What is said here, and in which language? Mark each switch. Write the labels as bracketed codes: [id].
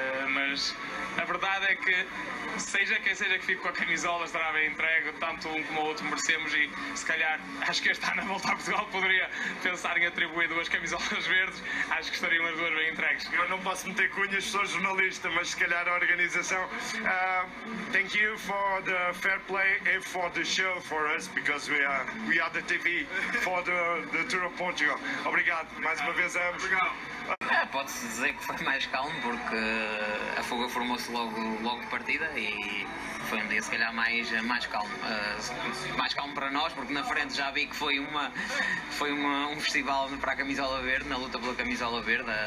[pt] Mas a verdade é que, seja quem seja que fique com a camisola, estará bem entregue, tanto um como o outro merecemos. E se calhar, acho que este ano, a volta a Portugal, poderia pensar em atribuir duas camisolas verdes. Acho que estariam as duas bem entregues. Eu não posso meter cunhas, sou jornalista, mas se calhar a organização. [en] Thank you for the fair play and for the show for us, because we are the TV for the Tour of Portugal. [pt] Obrigado, mais uma vez, ambos. Obrigado. Pode-se dizer que foi mais calmo, porque a fuga formou-se logo de partida e foi um dia, se calhar, mais calmo. Mais calmo para nós, porque na frente já vi que foi um festival para a camisola verde, na luta pela camisola verde.